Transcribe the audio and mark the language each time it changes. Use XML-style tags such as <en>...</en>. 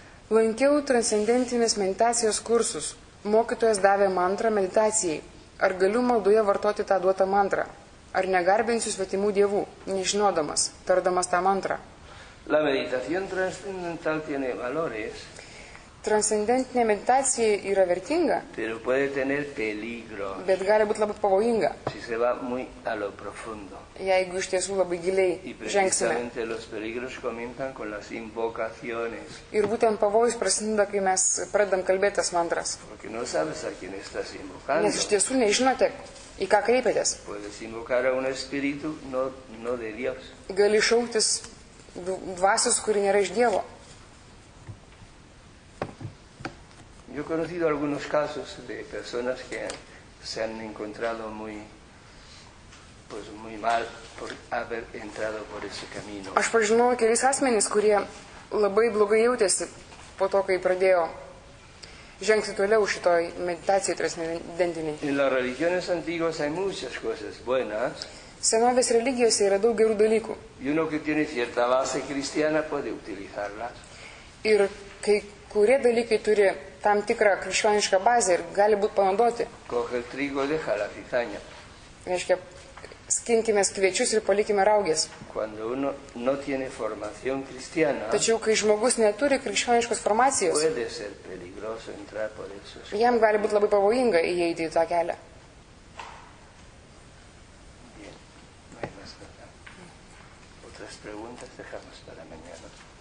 <lt>Lankiau transcendentinės meditacijos kursus. Mokytojas davė mantrą meditacijai. Ar galiu maldoje vartoti tą duotą mantrą? Ar negarbinsiu svetimų dievų, nežinodamas, tardamas tą mantrą?</lt> <es>La meditación transcendental tiene valores.</es> <lt>Transcendentinė meditacija yra vertinga.</lt> <es>Pero puede tener peligro.</es> <lt>Bet gali būti labai pavojinga.</lt> <es>Si se va muy a lo profundo.</es> <lt>Jeigu iš tiesų labai giliai žengsime.</lt> <es>Y precisamente los peligros comienzan con las invocaciones.</es> <lt>Ir būtent pavojus prasideda, kai mes pradedam kalbėtas mantras.</lt> <es>Porque no sabes a quién estás invocando.</es> <lt>Nes iš tiesų nežinote, į ką kreipiatės.</lt> <es>Puedes invocar a un espíritu, no de Dios.</es> <lt>Gali šauktis dvasios, kuri nėra iš Dievo.</lt> <es>Yo he conocido algunos casos de personas que se han encontrado muy, pues muy mal por haber entrado por ese camino.</es> <lt>Aš pažinau kelis asmenis, kurie labai blogai jautėsi po to, kai pradėjo žengti toliau šitoj meditacijai transcendentinei.</lt> <es>En las religiones antiguas hay muchas cosas buenas.</es> <lt>Senovės religijose yra daug gerų dalykų.</lt> <es>Y uno que tiene cierta base cristiana puede utilizarlas.</es> <lt>Ir kai kurie dalykai turi tam tikrą krikščionišką bazę ir gali būti panaudoti.</lt> <es>Coge el trigo, deja la cizaña.</es> <lt>Reiškia, skinkime kviečius ir palikime raugės.</lt> <es>Cuando uno no tiene formación cristiana,</es> <lt>tačiau, kai žmogus neturi krikščioniškos formacijos,</lt> <es>puede ser peligroso entrar por esos.</es> <lt>Jam gali būti labai pavojinga įeiti į tą kelią.</lt> <es>Bien, no hay más nada. Otras preguntas dejamos para mañana.</es>